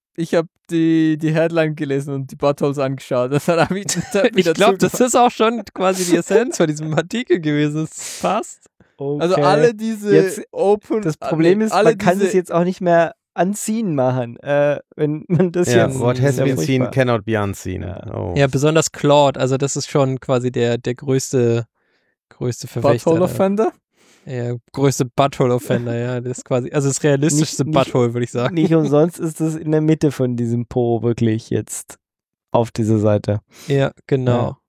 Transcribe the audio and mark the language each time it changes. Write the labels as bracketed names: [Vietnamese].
[German] Ich hab die Headline gelesen und die Buttholes angeschaut. Das hat mich ich glaube, das ist auch schon quasi die Essenz von diesem Artikel gewesen. Es passt. Okay. Also alle diese jetzt, Open... Das Problem ist, man kann es jetzt auch nicht mehr unseen machen, wenn man das jetzt... [English] Ja, what has been seen cannot be unseen. [German] Ja. Oh. Ja, besonders Claude. Also das ist schon quasi der größte Verfechter. Butthole-Offender? Ja, größte Butthole-Offender, ja. Das ist quasi, also das realistischste Butthole, würde ich sagen. Nicht umsonst ist es in der Mitte von diesem Po wirklich jetzt auf dieser Seite. Ja, genau.